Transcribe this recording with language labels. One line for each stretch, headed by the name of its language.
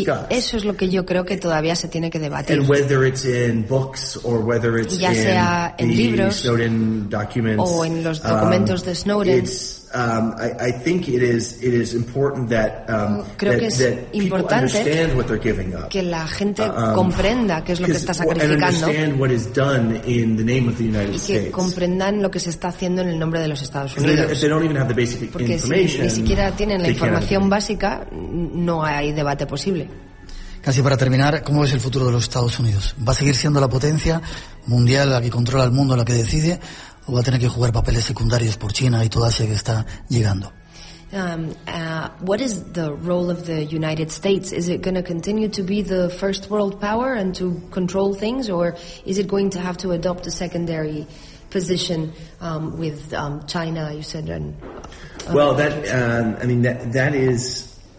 Spanish: Eso es lo que yo creo que todavía se tiene que debatir.
English: And whether it's in books or whether it's
Spanish: ya sea en libros
English: Snowden documents,
Spanish: o en los documentos de Snowden,
English: I think it is important that that people understand what they're giving up.
Spanish: Que la gente comprenda qué es lo que está sacrificando.
English: And understand what is done in the name of the United States.
Spanish: Y que comprendan lo que se está haciendo en el nombre de los Estados Unidos.
English: They don't even have the basic
Spanish: Porque
English: information.
Spanish: Si ni siquiera tienen la información básica, no hay debate posible. Casi para terminar, ¿cómo ves el futuro de los Estados Unidos? ¿Va a seguir siendo la potencia mundial, la que controla el mundo, la que decide? ¿O va a tener que jugar papeles secundarios por China y toda Asia que está llegando?
English: What is the role of the United States? Is it going to continue to be the first world power and to control things? Or is it going to have to adopt a secondary position with China, you said? And, well, that, I mean, that is...